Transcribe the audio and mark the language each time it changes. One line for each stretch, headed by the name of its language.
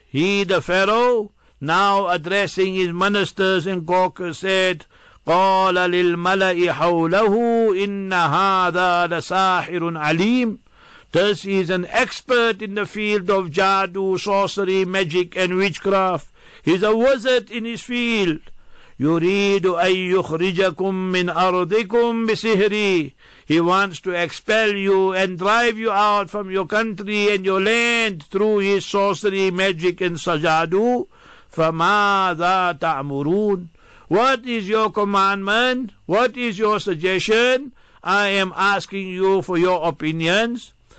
English: He, the Pharaoh, now addressing his ministers and caucus, said,
Arabic: قَالَ لِلْمَلَئِ حَوْلَهُ إِنَّ هَذَا لَسَاحِرٌ عَلِيمٌ.
English: Thus he is an expert in the field of jadu, sorcery, magic and witchcraft. He is a wizard in his field.
Arabic: يُرِيدُ أَن يُخْرِجَكُم مِّنْ أَرْضِكُم بِسِحْرِي.
English: He wants to expel you and drive you out from your country and your land through his sorcery, magic and sajadu.
Arabic: فَمَاذَا تَعْمُرُونَ.
English: What is your commandment? What is your suggestion? I am asking you for your opinions.